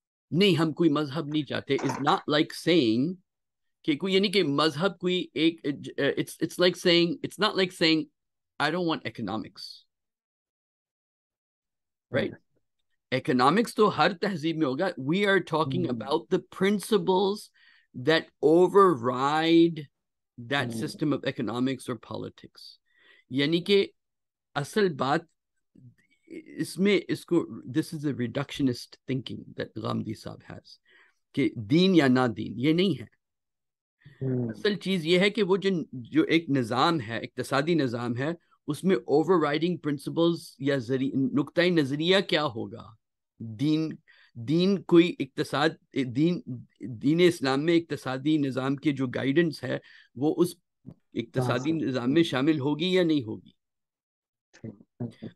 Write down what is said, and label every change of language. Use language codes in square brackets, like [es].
[ur] نہیں ہم کوئی مذہب نہیں چاہتے, [en] it's not like saying [ur] کہ کوئی, یعنی کہ مذہب کوئی ایک, [en] It's like saying, it's not like saying I don't want economics, right? [ur] Economics to har tehzeeb mein hoga. [en] We are talking about the principles that override that system of economics or politics, [ur] yani ke asal baat isme isko, [en] this is a reductionist thinking that Ghamdi sahab has [ur] ke deen ya na deen ye nahi hai. Asal cheez ye hai ke wo jo ek nizam hai, iqtisadi nizam hai, اس میں over riding principles یا نقطۂ نظریہ کیا ہوگا, دین کوئی اقتصاد, دین اسلام میں اقتصادی نظام کے جو گائیڈنس ہے وہ اس اقتصادی نظام میں شامل ہوگی یا نہیں ہوگی.